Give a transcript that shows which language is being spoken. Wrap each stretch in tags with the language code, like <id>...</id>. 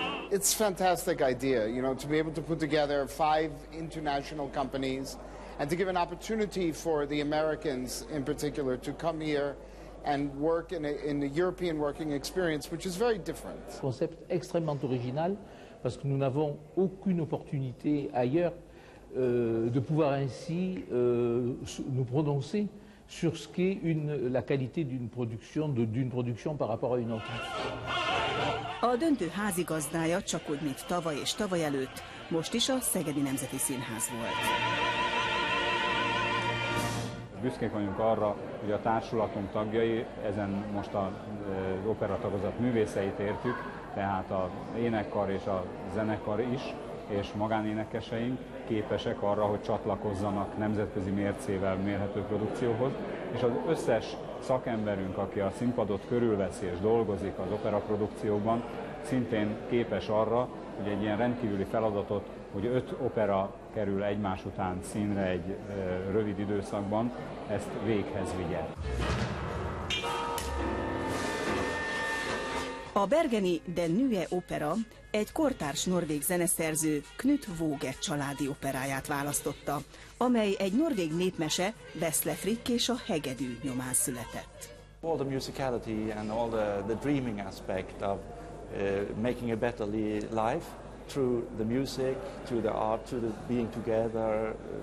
<en>It's a fantastic idea, you know, to be able to put together 5 international companies and to give an opportunity for the Americans in particular to come here and work in the European working experience, which is very different.</en> <fr>Concept extrêmement original. Parce que nous n'avons aucune opportunité ailleurs de pouvoir ainsi nous prononcer sur ce qu'est la qualité d'une production par rapport à une autre.</fr> <hu>A döntő házigazdája csak úgy, mint tavaly és tavaly előtt, most is a Szegedi Nemzeti Színház volt. Büszkék vagyunk arra, hogy a társulatunk tagjai, ezen most az operatagozat művészeit értük, tehát a énekkar és a zenekar is, és magánénekeseink képesek arra, hogy csatlakozzanak nemzetközi mércével mérhető produkcióhoz, és az összes szakemberünk, aki a színpadot körülveszi és dolgozik az operaprodukcióban, szintén képes arra, hogy egy ilyen rendkívüli feladatot, hogy 5 opera kerül egymás után színre egy rövid időszakban, ezt véghez vigye. A bergeni De Nye Opera egy kortárs norvég zeneszerző Knut Våge családi operáját választotta, amely egy norvég népmese Vesle Frikk és a hegedű nyomán született.</hu> <en>All the musicality and all the dreaming aspect of making a better life through the music, through the art, through the being together.</en>